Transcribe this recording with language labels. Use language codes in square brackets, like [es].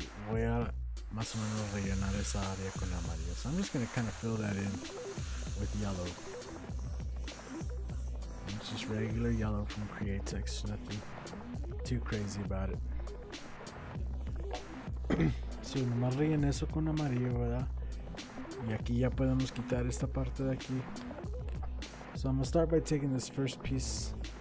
[es] voy a más o menos rellenar esa área con amarillo. [en] So I'm just gonna kind of fill that in with yellow. It's just regular yellow from Createx, nothing too crazy about it. [es] Si, nomás rellené eso con amarillo, ¿verdad? Y aquí ya podemos quitar esta parte de aquí. [en] So I'm gonna start by taking this first piece.